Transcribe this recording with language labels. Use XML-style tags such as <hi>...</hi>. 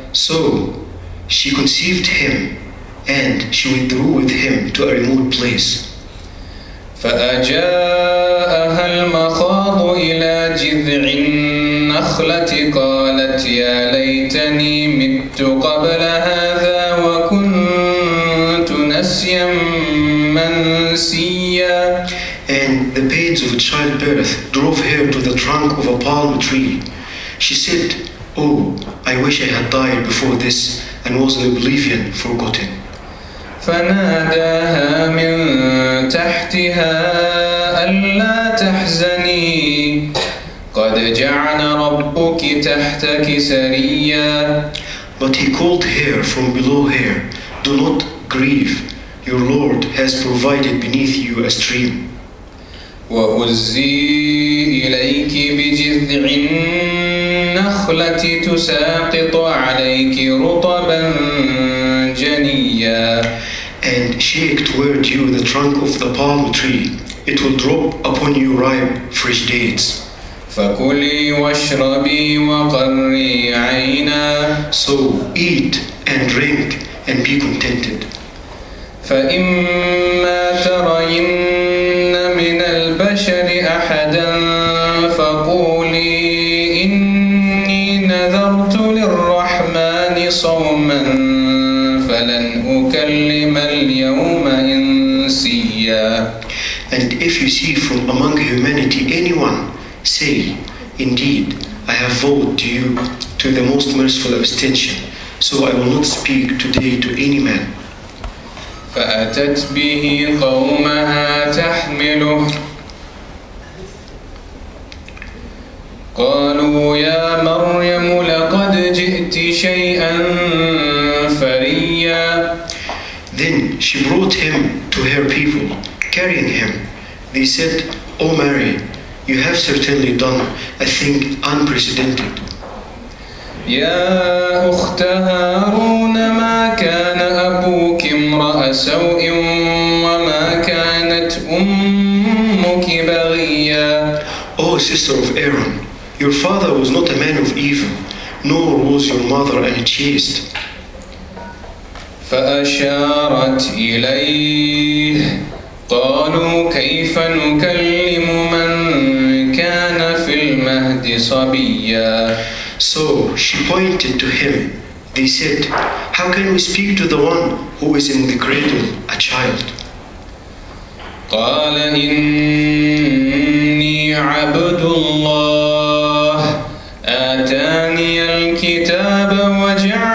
<en>So she conceived him and she withdrew with him to a remote place.</en> <ar>فأجاءها المخاض إلى جذع النخلة قالت يا ليتني مت قبل هذا وكنت نسيا منسيا.</ar> <en>And the pains of childbirth drove her to the trunk of a palm tree. She said, oh, I wish I had died before this and was an oblivion forgotten.</en> <ar>فناداها من تحتها ألا تحزني قد جعل ربك تحتك سريا.</ar> <en>But he called her from below her, do not grieve, your Lord has provided beneath you a stream.</en> <ar>وأزي إليك بجذع النخلة تساقط عليك رطبا جنيا.</ar> <en>And shake toward you the trunk of the palm tree. It will drop upon you ripe fresh dates.</en> <ar>فكلي واشربي وقري عينا.</ar> <en>So eat and drink and be contented.</en> <ar>فإما ترين من البشر أحدا فقولي إني نذرت للرحمن صوما فلن أكلم اليوم إنسيا.</ar> <en>And if you see from among humanity anyone, say, indeed, I have vowed to you to the most merciful abstention, so I will not speak today to any man.</en> <ar>فأتت به قومها تحمله قالوا يا مريم لقد جئت شيئا فريا.</ar> <en>Then she brought him to her people, carrying him. They said, O Mary, you have certainly done a thing unprecedented.</en> <ar>يا أخت هارون ما كان أبوك امرأ سوء وما كانت أمك بغيا.</ar> <en>O sister of Aaron, your father was not a man of evil, nor was your mother unchaste.</en> <ar>فأشارت إليه قالوا كيف نكلم من كان في المهد صبيا.</ar> <en>So she pointed to him. They said, how can we speak to the one who is in the cradle, a child?</en> <ar>قال إني عبد الله آتاني الكتاب وجعلني</ar>